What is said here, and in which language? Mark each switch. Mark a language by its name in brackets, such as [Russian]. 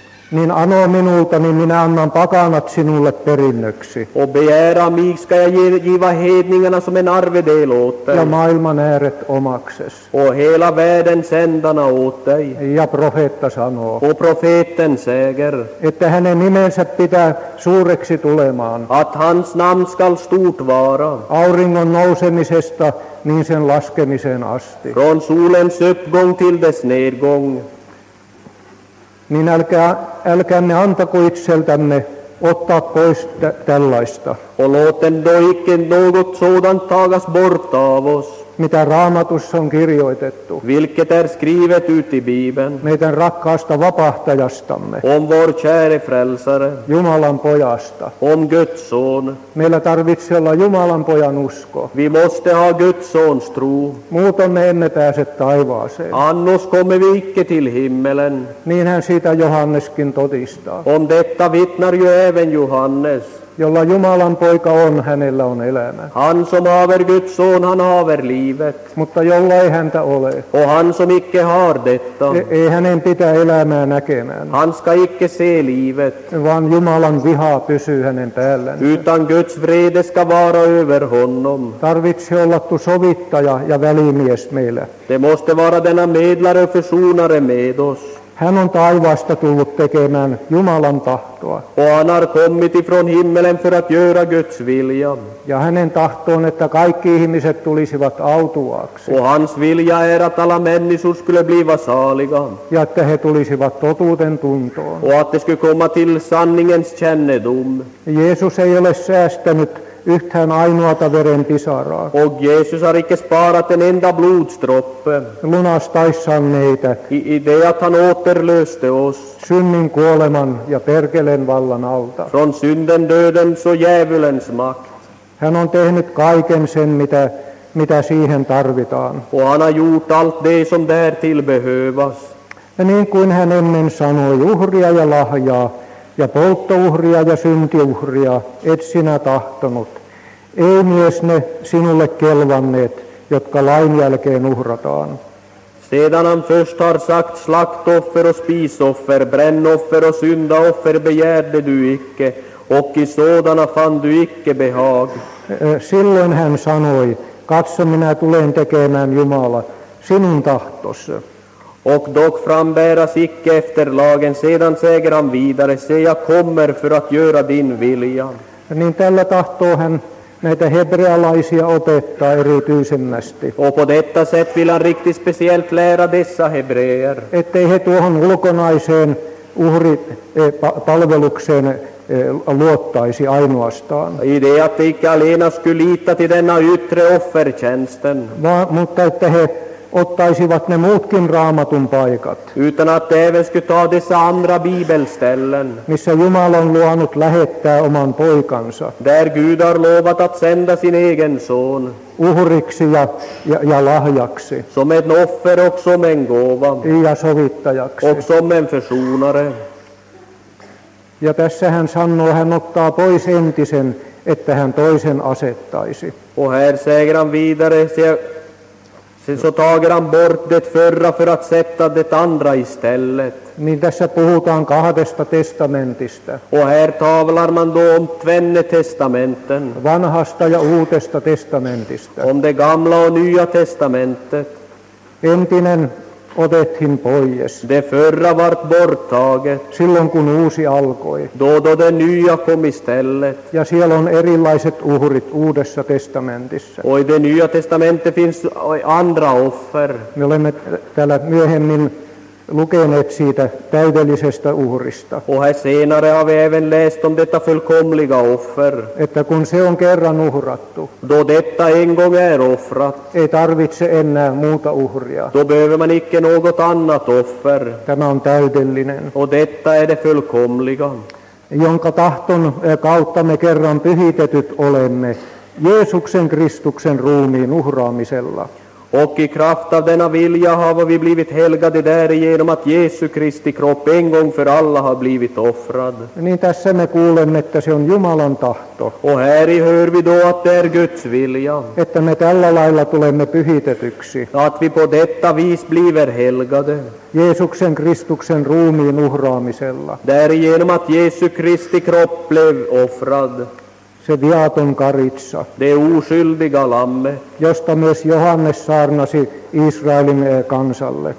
[Finnish] Niin ano minulta, niin minä annan pakanat sinulle perinnöksi. [Swedish] Och begära mig ska jag giva hedningarna som en arvedel åt dig. [Finnish] Ja maailman ääret omakses. [Swedish] Och hela världen sändarna åt dig. [Finnish] Ja profeetta sanoo. [Swedish] Och profeten säger. [Finnish] Että hänen nimensä pitää suureksi tulemaan. [Swedish] Att hans namn skall stort vara. [Finnish] Auringon nousemisesta niin sen laskemiseen asti. [Swedish] Från solens uppgång till dess nedgång. [Finnish] Niin älkäämme antako itseltämme ottaa pois tällaista. [Swedish] Och låt ändå icke något sådant tagas bort av oss. [Finnish] Mitä Raamatussa on kirjoitettu. [Swedish] Vilket är skrivet ut i Bibeln. [Finnish] Meidän rakkaasta vapahtajastamme. [Swedish] Om vår käre frälsare. [Finnish] Jumalan pojasta. [Swedish] Om Guds son. [Finnish] Meillä tarvitsee olla Jumalan pojan usko. [Swedish] Vi måste ha Guds sons tro. [Finnish] Muuten me emme pääse taivaaseen. [Swedish] Annos kommer vi icke till himmelen. [Finnish] Niinhän siitä Johanneskin todistaa. [Swedish] Om detta vittnar ju även Johannes. [Finnish] Jolla Jumalan poika on, hänellä on elämä. [Swedish] Han som haver Guds son, han haver livet. [Finnish] Mutta jolla ei häntä ole. [Swedish] Och han som icke har detta. [Finnish] Ei hänen pitää elämää näkemään. [Swedish] Han ska icke se livet. [Finnish] Vaan Jumalan viha pysyy hänen päällänsä. [Swedish] Utan Guds vrede ska vara över honom. [Finnish] Tarvitsi olla tu sovittaja ja välimies meillä. [Swedish] Det måste vara denna medlare och försonare med oss. [Finnish] Hän on taivaasta tullut tekemään Jumalan tahtoa. [Swedish] Och han har kommit ifrån himmelen för att göra Guds vilja. [Finnish] Ja hänen tahtoon, että kaikki ihmiset tulisivat autuaksi. [Swedish] Och hans vilja är att alla människor skulle bliva saliga. [Finnish] Ja että he tulisivat totuuden tuntoon. [Swedish] Och att de skulle komma till sanningens kännedom. [Finnish] Jeesus ei ole säästänyt yhtään ainoata verenpisaraa. [Swedish] Och Jesus har icke sparat en enda blodstroppe. [Finnish] Lunastaissaan meitä. [Swedish] I det att han återlöste oss. [Finnish] Synnin, kuoleman ja perkeleen vallan alta. [Swedish] Från synden, döden, så djävulens makt. [Finnish] Hän on tehnyt kaiken sen, mitä siihen tarvitaan. [Swedish] Och han har gjort allt det som därtill behövas. [Finnish] Ja niin kuin hän ennen sanoi, uhria ja lahjaa. Ja polttouhria ja syntiuhria et sinä tahtonut. Ei myös ne sinulle kelvanneet, jotka lain jälkeen uhrataan. [Swedish] Sedan han först har sagt slaktoffer och spisoffer, brännoffer och syndaoffer begärde du icke, och i sådana fann du icke behag. [Finnish] Silloin hän sanoi, katso minä tulen tekemään Jumala sinun tahtosi. [Swedish] Och dock frambäras icke efter lagen, sedan säger han vidare, se jag kommer för att göra din vilja. [Finnish] Niin tällä tahtoo hän näitä hebrealaisia opettaa erityisemmästi. [Swedish] Och på detta sätt vill han riktigt speciellt lära dessa hebreer. [Finnish] Ettei he tuohon ulkonaiseen uhri palvelukseen luottaisi ainoastaan. [Swedish] I det att de icke alena skulle lita till denna yttre offertjänsten. [Finnish] Mutta että he ottaisivat ne muutkin raamatun paikat. [Swedish] Utan att även skulle ta dessa andra bibelställen. [Finnish] Missä Jumala on luonut lähettää oman poikansa. [Swedish] Där Gud har lovat att sända sin egen son. [Finnish] Uhriksi ja lahjaksi. [Swedish] Som en offer och som en gåva. [Finnish] Ja sovittajaksi. [Swedish] Och som en försonare. [Finnish] Ja tässä hän sanoo, hän ottaa pois entisen, että hän toisen asettaisi. [Swedish] Och här säger han vidare, sen så tager han bort det förra för att sätta det andra istället. [Finnish] Niin tässä puhutaan kahdesta testamentista. [Swedish] Och här tavlar man då om tvenne testamenten. [Finnish] Vanhasta ja uudesta testamentista. [Swedish] Om det gamla och nya testamentet. [Finnish] Entinen otettiin pois. [Swedish] Det förra vart borttaget. [Finnish] Silloin kun uusi alkoi. [Swedish] Då det nya kom istället. [Finnish] Ja siellä on erilaiset uhrit uudessa testamentissa. [Swedish] Och i det nya testamentet finns andra offer. [Finnish] Me olemme täällä myöhemmin lukeneet siitä täydellisestä uhrista. [Swedish] Och här senare har vi även läst om detta fullkomliga offer. [Finnish] Että kun se on kerran uhrattu. [Swedish] Då detta en gång är offrat. [Finnish] Ei tarvitse enää muuta uhria. [Swedish] Då behöver man icke något annat offer. [Finnish] Tämä on täydellinen. [Swedish] Och detta är det fullkomliga. [Finnish] Jonka tahton kautta me kerran pyhitetyt olemme Jeesuksen Kristuksen ruumiin uhraamisella. [Swedish] Och i kraft av denna vilja har vi blivit helgade därigenom att Jesu Kristi kropp en gång för alla har blivit offrad. [Finnish] Niin tässä me kuulemme, että se on Jumalan tahto. [Swedish] Och här i hör vi då att det är Guds vilja. [Finnish] Että me tällä lailla tulemme pyhitetyksi. [Swedish] Att vi på detta vis bliver helgade. [Finnish] Jeesuksen Kristuksen ruumiin uhraamisella. [Swedish] Därigenom att Jesu Kristi kropp blev offrad. [Finnish] Se viaton karitsa. [Swedish] Det oskyldiga lamme. [Finnish] Josta myös Johannes saarnasi Israelin kansalle.